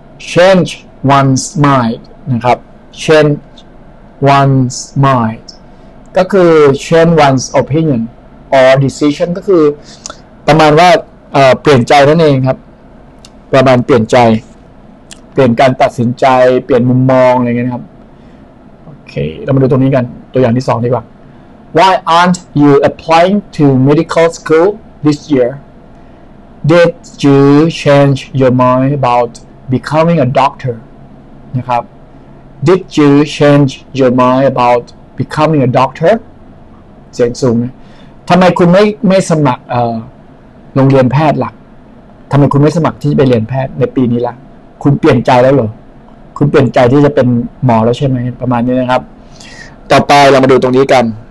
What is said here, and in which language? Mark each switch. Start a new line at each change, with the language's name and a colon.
English: change one's mind
Thai: นะครับ change one's mind ก็คือ
English: change one's opinion or decision
Thai: ก็คือประมาณว่าเปลี่ยนใจนั่นเองครับประมาณเปลี่ยนใจเปลี่ยนการตัดสินใจเปลี่ยนมุมมองอะไรเงี้ยครับโอเคเรามาดูตรงนี้กันตัวอย่างที่สองดีกว่า
English: Why aren't you applying to medical school this year? Did you change your mind about becoming a doctor?
Thai: นะครับ
English: Did you change your mind about becoming a doctor?
Thai: เสียงสูงนะทำไมคุณไม่สมัครโรงเรียนแพทย์ล่ะทำไมคุณไม่สมัครที่จะไปเรียนแพทย์ในปีนี้ล่ะคุณเปลี่ยนใจแล้วเหรอคุณเปลี่ยนใจที่จะเป็นหมอแล้วใช่ไหมประมาณนี้นะครับต่อไปเรามาดูตรงนี้กัน